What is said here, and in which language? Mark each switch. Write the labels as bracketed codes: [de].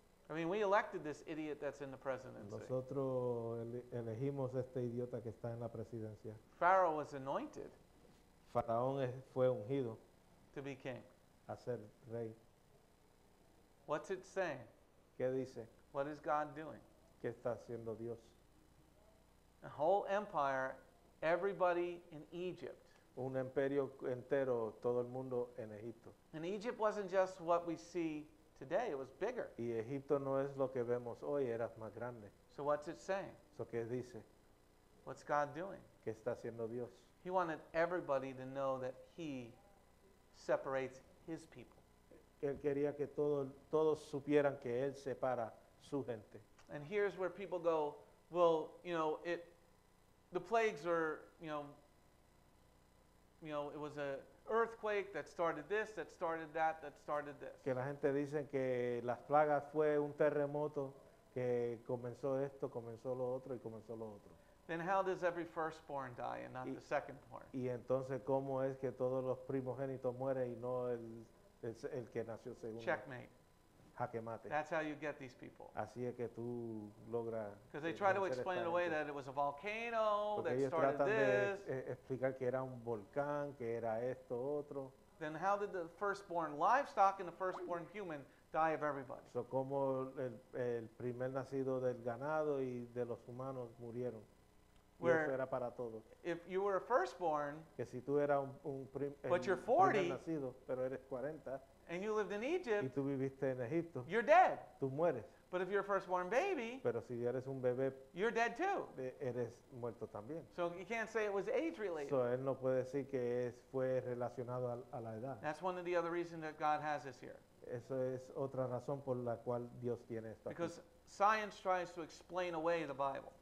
[en] I mean, we elected this idiot that's in the presidency. [es] Nosotros elegimos este idiota que está en la presidencia. [en] Pharaoh was anointed. [es] Faraón fue ungido. [en] To be king. [es] A ser rey. [en] What's it saying? [es] ¿Qué dice? [en] What is God doing? [es] ¿Qué está haciendo Dios? [en] A whole empire, everybody in Egypt. [es] Un imperio entero, todo el mundo en Egipto. [en] And Egypt wasn't just what we see today, it was bigger. [es] Y Egipto no es lo que vemos hoy, era más grande. [en] So what's it saying? [es] So ¿qué dice? [en] What's God doing? [es] ¿Qué está haciendo Dios? [en] He wanted everybody to know that he separates his people. [es] Él quería que todos supieran que él separa su gente. [en] And here's where people go, well, you know, the plagues are, you know, it was a earthquake that started this, that started that, that started this. [es] Que la gente dice que las plagas fue un terremoto que comenzó esto, comenzó lo otro y comenzó lo otro. [en] Then how does every firstborn die and not the secondborn? [es] Y entonces cómo es que todos los primogénitos mueren y no el que nació segundo. [en] Checkmate. [es] Jaque mate. [en] That's how you get these people. [es] Así es que tú logras. [en] Because they try to explain it away that it was a volcano that started this. [es] Porque ellos tratan de explicar que era un volcán, que era esto, otro. [en] Then how did the firstborn livestock and the firstborn human die of everybody? [es] So como el primer nacido del ganado y de los humanos murieron. [en] Where, [es] eso era para todos. [en] If you were a firstborn, [es] que si tú eras un [en] but you're 40, [es] primer nacido, pero eres 40, [en] and you lived in Egypt, [es] y tú viviste en Egipto, [en] you're dead. [es] Tú mueres. [en] But if you're a firstborn baby, [es] pero si eres un bebé, [en] you're dead too. [es] Eres muerto también. [en] So you can't say it was age-related. [es] So él no puede decir que fue relacionado a la edad. [en] That's one of the other reasons that God has us here. [es] Eso es otra razón por la cual Dios tiene esto. [en] Because science tries to explain away the Bible.